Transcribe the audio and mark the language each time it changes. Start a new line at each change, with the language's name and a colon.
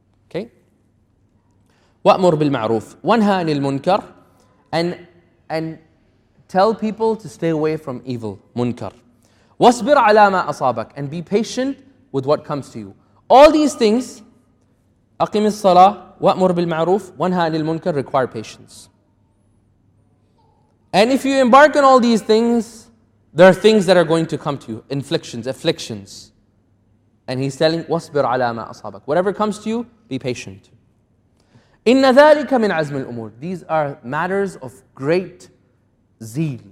English: Okay?
Arabic: وَأْمُرْ بِالْمَعْرُوفِ وَنْهَا عَنِ الْمُنْكَرِ
English: And tell people to stay away from evil, munkar.
Arabic: وَاسْبِرْ عَلَى مَا أَصَابَكَ
English: And be patient with what comes to you. All these things,
Arabic: أَقِمِ الصَّلَاةِ وَأْمُرْ بِالْمَعْرُوفِ وَنْهَا عَنِ الْمُنْكَرِ
English: require patience. And if you embark on all these things, there are things that are going to come to you, afflictions. And he's telling,
Arabic: وَاسْبِرْ عَلَى مَا أَصَابَكَ
English: Whatever comes to you, be patient.
Arabic: إِنَّ ذَلِكَ مِنْ عَزْمِ الْأُمُورِ
English: These are matters of great zeal.